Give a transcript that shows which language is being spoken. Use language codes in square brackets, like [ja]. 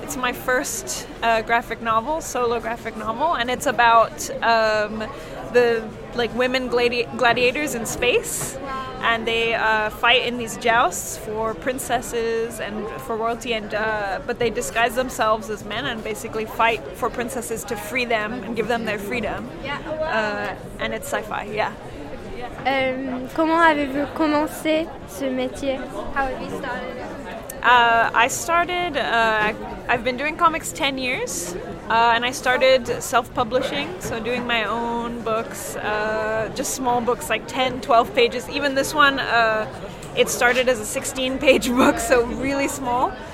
[en] It's my first graphic novel, solo graphic novel, and it's about the women gladiators in space, and they fight in these jousts for princesses and for royalty, and but they disguise themselves as men and basically fight for princesses to free them and give them their freedom. And it's sci-fi, yeah. [fr] Comment avez-vous commencé ce métier? [en] How have you started? I've been doing comics 10 years, and I started self-publishing, so doing my own books, just small books, like 10, 12 pages. Even this one, it started as a 16-page book, so really small.